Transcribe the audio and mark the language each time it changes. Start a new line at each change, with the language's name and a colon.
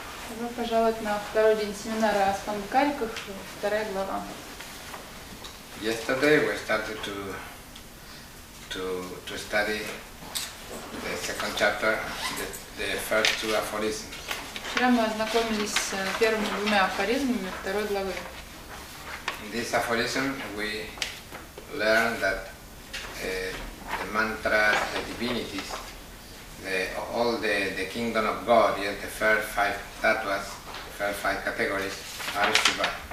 Russian: Добро пожаловать на второй день семинара о Спандакариках, вторая глава.
English: Yesterday we started to study the second chapter, the first two aphorisms.
Russian: Вчера мы ознакомились с первыми двумя афоризмами второй главы.
English: In this aphorism we learn that the mantras, the divinities, all the kingdom of God, yes, the first five tattvas, the first five categories are Shiva.